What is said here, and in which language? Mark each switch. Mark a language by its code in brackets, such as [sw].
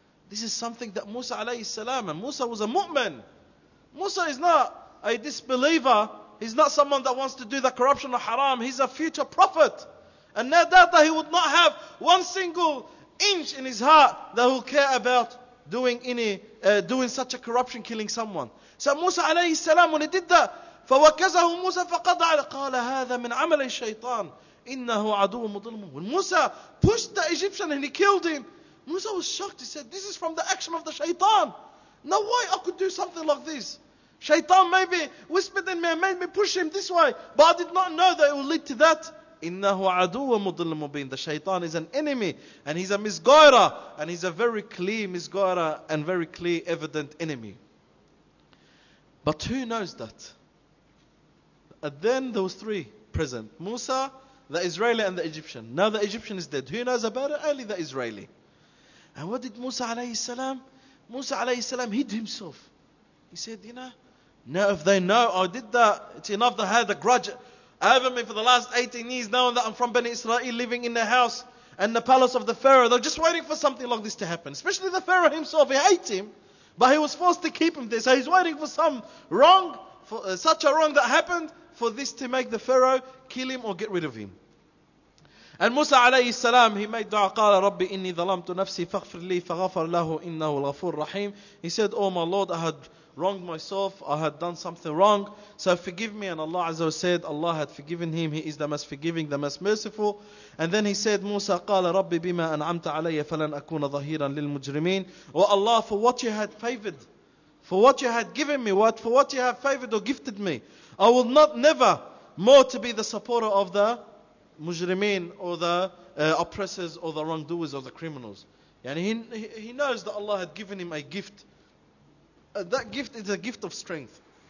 [en] This is something that Musa alayhi salam, and Musa was a mu'min. Musa is not a disbeliever. He's not someone that wants to do the corruption or haram. He's a future prophet. And no doubt that he would not have one single inch in his heart that he'll care about doing such a corruption, killing someone. So Musa alayhi salam, when he did that, [ar] فَوَكَزَهُ مُوسَى فَقَضَ عَلَىٰ قَالَ هَذَا مِنْ عَمَلَ الشَّيْطَانِ إِنَّهُ عَدُوٌ مُضِلْمٌ. [en] When Musa pushed the Egyptian and he killed him, Musa was shocked. He said, this is from the action of the shaitan. Now why I could do something like this? Shaitan maybe whispered in me and made me push him this way, but I did not know that it would lead to that. [ar] إِنَّهُ عَدُوٌ مُضِلْمٌ مُبِينٌ. [en] The shaitan is an enemy and he's a misguider, and he's a very clear misguider and very clear evident enemy. But who knows that? And then there was three present. Musa, the Israeli, and the Egyptian. Now the Egyptian is dead. Who knows about it? Only the Israeli. And what did Musa alayhi salam? Musa alayhi salam hid himself. He said, you know, now if they know I did that, it's enough that I had a grudge over me for the last 18 years, knowing that I'm from Bani Israel, living in the house. and the palace of the Pharaoh, they're just waiting for something like this to happen. Especially the Pharaoh himself, he hates him, but he was forced to keep him there. So he's waiting for some wrong, for such a wrong that happened, for this to make the Pharaoh kill him or get rid of him. And Musa alayhi salam, he made dua, [ar] قال ربي إني ظلمت نفسي فغفر لي فغفر له إنه الغفور الرحيم. [en] He said, oh my Lord, I had wronged myself, I had done something wrong, so forgive me. And Allah Azza wa said, Allah had forgiven him, he is the most forgiving, the most merciful. And then he said, Musa [ar] قال ربي بما أنعمت علي فلن أكون ظهيرا للمجرمين. [en] Oh Allah, for what you had favored, for what you had given me, what for what you have favored or gifted me, I will not never more to be the supporter of the mujrimeen or the oppressors or the wrongdoers or the criminals. Yani he knows that Allah had given him a gift. That gift is a gift of strength.